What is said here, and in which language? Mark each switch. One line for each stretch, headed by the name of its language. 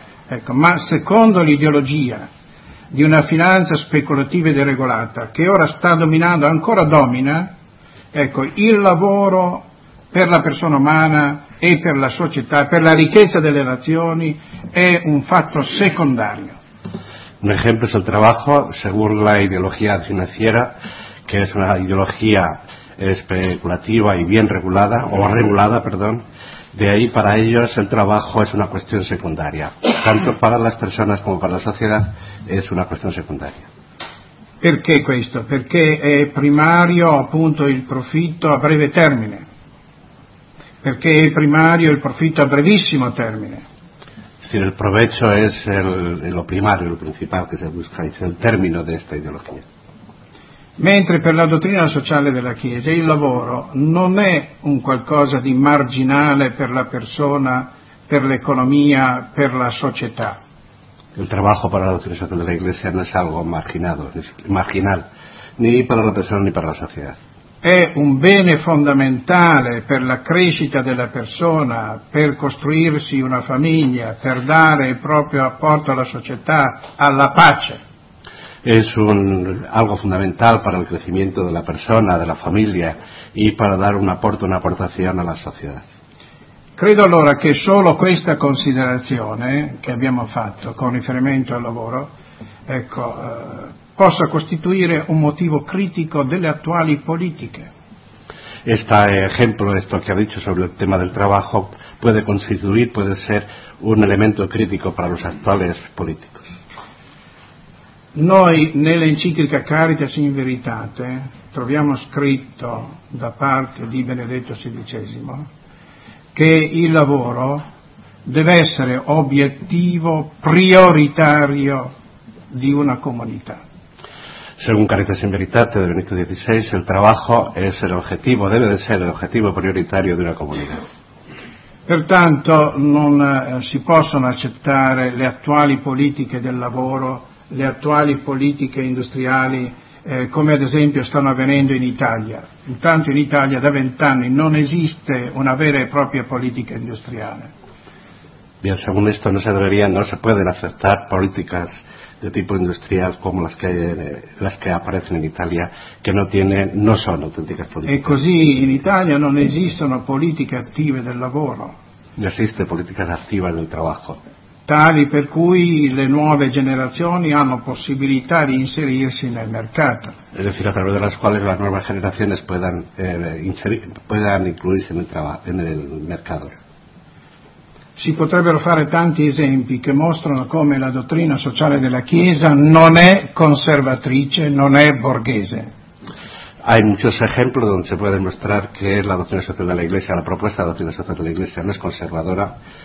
Italian: Ecco, ma secondo l'ideologia di una finanza speculativa e deregolata che ora sta dominando, ancora domina, ecco, il lavoro per la persona umana e per la società, per la ricchezza delle nazioni è un fatto secondario. Un esempio è il lavoro, secondo la ideologia finanziaria, che è una ideologia speculativa e ben regolata, o regolata, perdon.
Spanish: De ahí, para ellos, el trabajo es una cuestión secundaria. Tanto para las personas como para la sociedad, es una cuestión secundaria. ¿Por qué esto? Porque es primario, appunto, el
Italian: profitto a breve termine.
Spanish: Porque es primario el profitto a brevísimo termine. Si el provecho es lo primario, lo principal que se busca, es el término de esta ideología.
Italian: Mentre per la dottrina sociale della Chiesa il lavoro non è un qualcosa di marginale per la persona, per l'economia, per la società. Il lavoro per la dottrina sociale della Chiesa non è algo marginale, né per la persona né per la società. È un bene fondamentale per la crescita della persona, per costruirsi una famiglia, per dare il proprio apporto alla società, alla pace.
Spanish: Es un algo fundamental para el crecimiento de la persona, de la familia y para dar un aporte, una aportación a la sociedad.
Italian: Credo allora che solo questa considerazione che abbiamo fatto con riferimento al lavoro, ecco, possa costituire un motivo critico delle attuali politiche.
Spanish: Este ejemplo, esto que ha dicho sobre el tema del trabajo, puede constituir, puede ser un elemento crítico para los actuales políticos.
Italian: Noi nell'enciclica Caritas in Veritate troviamo scritto da parte di Benedetto XVI che il lavoro deve essere obiettivo prioritario di una comunità.
Spanish: Según Caritas in Veritate del Benedetto XVI, el trabajo es el objetivo, debe de ser el objetivo prioritario de una comunidad.
Italian: Pertanto non si possono accettare le attuali politiche del lavoro, le attuali politiche industriali, come ad esempio stanno avvenendo in Italia. Intanto in Italia da 20 anni non esiste una vera e propria politica industriale.
Spanish: Bien, según esto no se deberían, no se pueden aceptar políticas de tipo industrial como las que aparecen en Italia, que no tienen, no son auténticas políticas.
Italian: E così in Italia non esistono politiche attive del lavoro.
Spanish: No existe políticas activas del trabajo.
Italian: Tali per cui le nuove generazioni hanno possibilità di inserirsi nel mercato.
Spanish: Es decir, a través de las cuales las nuevas generaciones puedan incluirse
Italian: nel mercato. Si potrebbero fare tanti esempi che mostrano come la dottrina sociale della Chiesa non è conservatrice, non è borghese.
Spanish: Hay muchos ejemplos donde se puede demostrar que la doctrina social de la Iglesia, la propuesta de la doctrina social de la Iglesia no es conservadora